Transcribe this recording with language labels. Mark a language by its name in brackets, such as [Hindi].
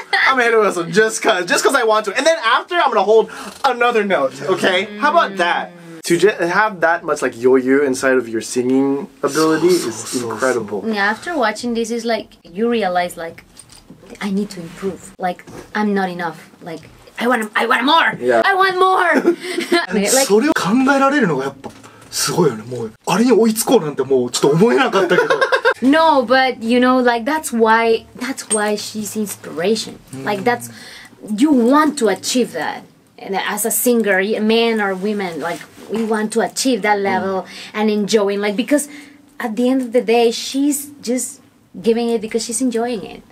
[English] I'm gonna hit a whistle just cause I want to. And then after, I'm gonna hold another note, okay? How about that? To have that much like yo-yo inside of your singing ability is incredible. Yeah, after watching this, it's like, you realize, like, I need to improve. Like, I'm not enough. Like, I want more! I want more! [Japanese] それを考えられるのがやっぱすごいよね。もうあれに追いつこうなんてもうちょっと思えなかったけど。 [English] No, but you know, like that's why she's inspiration. Like that's, you want to achieve that. And as a singer, men or women, like we want to achieve that level and enjoying, like, because at the end of the day, she's just giving it because she's enjoying it.